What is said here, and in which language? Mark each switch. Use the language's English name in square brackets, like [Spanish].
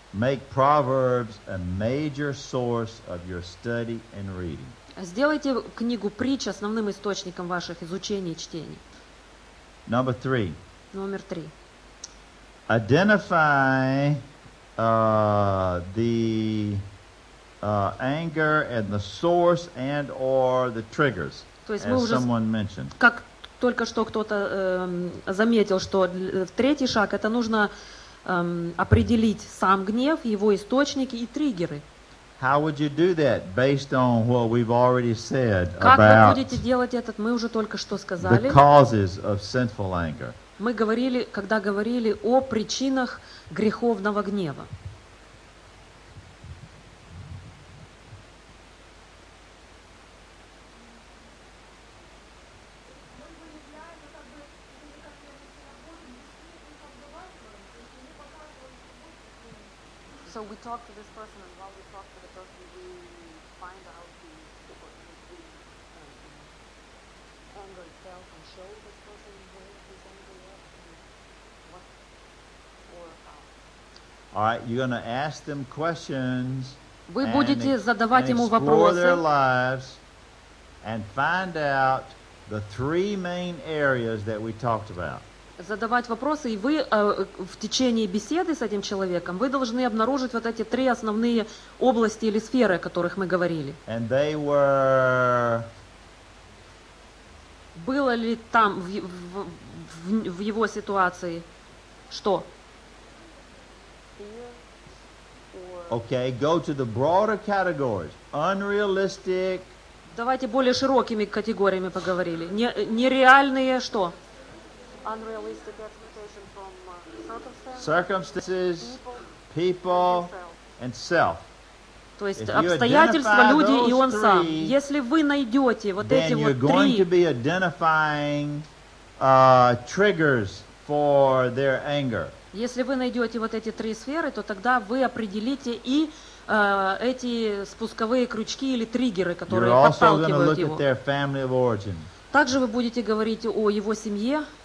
[English] Make Proverbs a major source of your study and reading. [Russian] Сделайте книгу притч основным источником ваших изучений и чтений. [English] Number three. [Russian] Номер три. [English] Identify the anger and the source and or the triggers, as someone mentioned. [Russian] Как только что кто-то заметил, что третий шаг, это нужно определить сам гнев, его источники и триггеры. [English] How would you do that based on what we've already said about? [Russian] Как вы будете делать этот? Мы уже только что сказали. [English] The causes of sinful anger. [Russian] Мы говорили, когда говорили о причинах греховного гнева. [English] So we talk to this person, and while we talk to the person, we find out the anger itself and show this person where his anger is at and what or how. All right, you're going to ask them questions. [Russian] Вы будете задавать ему вопросы. [English] Explore their lives and find out the three main areas that we talked about. [Russian] задавать вопросы, и вы в течение беседы с этим человеком, вы должны обнаружить вот эти три основные области или сферы, о которых мы говорили. [English] And they were... [Russian] Было ли там в его ситуации что? [English] Okay, go to the broader categories. Unrealistic. [Russian] Давайте более широкими категориями поговорили. Нереальные что? [English] Unrealistic expectation from circumstances, people, and self. [Russian] То есть обстоятельства, люди и он сам. Если вы найдете вот эти вот три, [English] then you're going to be identifying triggers for their anger. [Russian] Если вы найдете вот эти три сферы, то тогда вы определите и эти спусковые крючки или триггеры, которые подталкивают его. Также вы будете говорить о его семье.